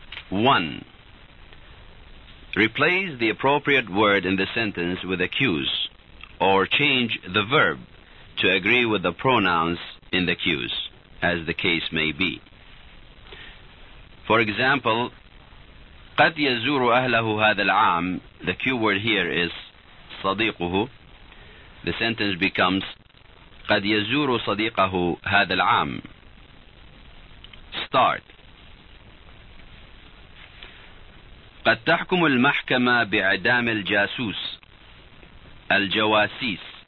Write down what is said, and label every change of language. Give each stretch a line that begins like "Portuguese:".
English: 1. Replace the appropriate word in the sentence with accuse, or change the verb to agree with the pronouns in the accuse, as the case may be. For example,
Arabic: قد يزور أهله هذا العام.
English: The Q word here is صديقه. The sentence becomes
Arabic: قد يزور صديقه هذا العام.
English: Start.
Arabic: قد تحكم المحكمة بإعدام الجاسوس الجواسيس.